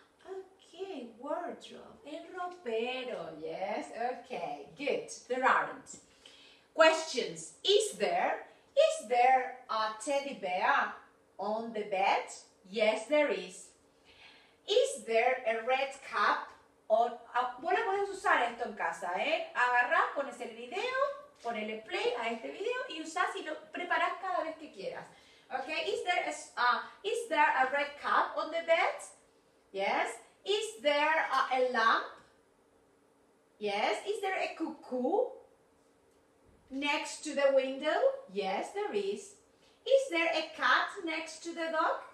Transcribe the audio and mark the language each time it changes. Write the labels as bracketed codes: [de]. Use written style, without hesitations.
[en] Okay, wardrobe. [es] El ropero, [en] yes. Okay, good. There aren't. Questions. Is there a teddy bear on the bed? Yes, there is. Is there a red cap on... [es] Vos la podés usar esto en casa, ¿eh? Agarrás, pones el video, ponele play a este video y usás y lo preparás cada vez que quieras. [en] Okay, is there a red cap on the bed? Yes. Is there a lamp? Yes. Is there a cuckoo next to the window? Yes, there is. Is there a cat next to the dog?